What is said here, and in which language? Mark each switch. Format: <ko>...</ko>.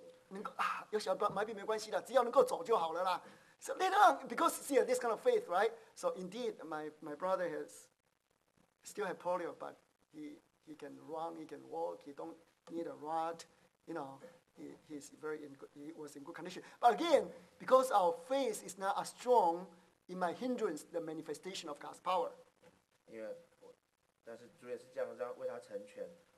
<zh>能够啊，有小儿麻痹没关系的，只要能够走就好了啦。</zh> <en>So later on, because see this kind of faith, right? So indeed, my brother has still have polio, but he can run, he can walk, he don't need a rod, you know. He was in good condition. But again, because our faith is not as strong, it might hindrance the manifestation of God's power.</en> <zh>因为，但是主也是这样让为他成全。</zh>